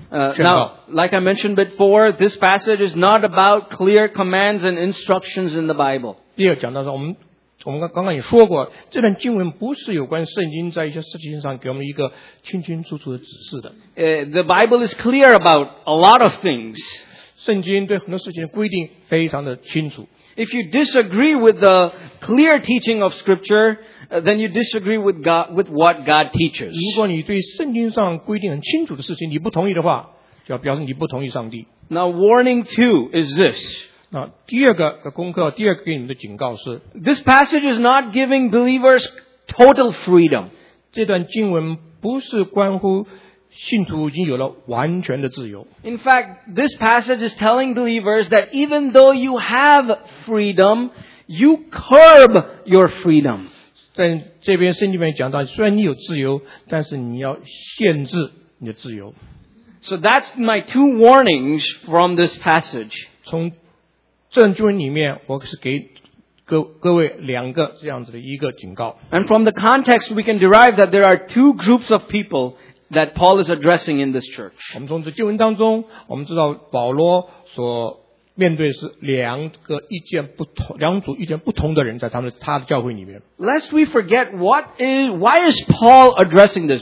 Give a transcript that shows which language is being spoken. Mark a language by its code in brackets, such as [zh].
[en] Now, like I mentioned before, this passage is not about clear commands and instructions in the Bible. [zh] 第二讲到说，我们刚刚也说过，这段经文不是有关圣经在一些事情上给我们一个清清楚楚的指示的。 [en] The Bible is clear about a lot of things. [zh] 圣经对很多事情的规定非常的清楚。 [en] If you disagree with the clear teaching of Scripture, then you disagree with God, with what God teaches. [zh] 如果你对圣经上规定很清楚的事情你不同意的话，就要表示你不同意上帝。 [en] Now, warning two is this. [zh] 那第二个的功课，第二个给你们的警告是 [en] ：This passage is not giving believers total freedom. [zh] 这段经文不是关乎信徒已经有了完全的自由。 [en] In fact, this passage is telling believers that even though you have freedom, you curb your freedom. [zh] 在这边圣经里面讲到，虽然你有自由，但是你要限制你的自由。 [en] So that's my two warnings from this passage. [zh] 从这段经文里面我是给各位两个这样子的一个警告。 [en] And from the context, we can derive that there are two groups of people that Paul is addressing in this church. [zh] 我们从这经文当中我们知道保罗所面对是两组意见不同的人在他的教会里面。 [en] Lest we forget, why is Paul addressing this?